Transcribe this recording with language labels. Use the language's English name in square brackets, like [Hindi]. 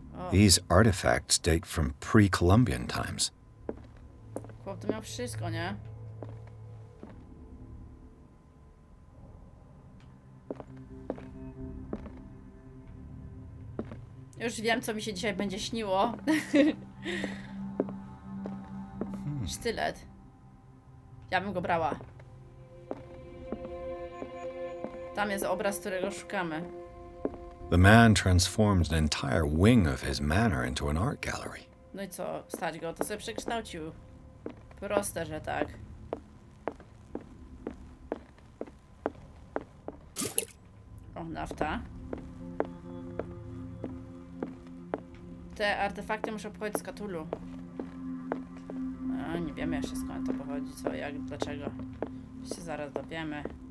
[English] These artifacts date from pre-Columbian times. [Polish] Chłop to miał wszystko, nie? Już wiem, co mi się dzisiaj będzie śniło. Sztylet. Ja bym go brała. Tam jest obraz, którego szukamy. [English] The man transformed an entire wing of his manor into an art gallery. [Polish] No i co? Stać go? To sobie przekształcił. Proste, że tak. O, nafta. Te artefakty muszą pochodzić z Cthulhu. No, nie wiemy jeszcze skąd to pochodzi, co, jak, dlaczego. Się zaraz dowiemy.